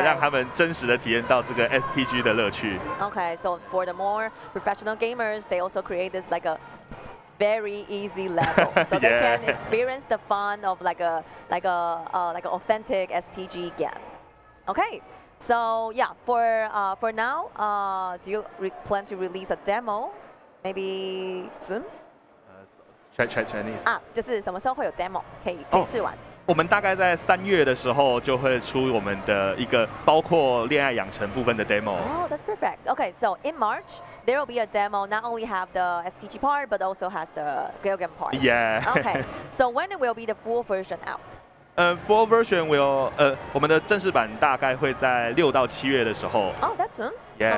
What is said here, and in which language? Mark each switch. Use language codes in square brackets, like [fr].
[zh] 让他们真实的体验到这个 STG 的乐趣。 [en] Okay, so for the more professional gamers, they also create this like a very easy level, so they can experience the fun of like a authentic STG game. Okay. So yeah, for now, do you plan to release a demo, maybe soon? Chinese. [zh] 就是什么时候会有 demo 可以试玩？我们大概在三月的时候就会出我们的一个包括恋爱养成部分的 demo. [en] Oh, that's perfect. Okay, so in March there will be a demo. Not only have the STG part, but also has the Galgen part. Yeah. Okay. So when will be the full version out? Full version will [zh] 我们的正式版大概会在六到七月的时候。 [en] Oh, that's soon. Yeah.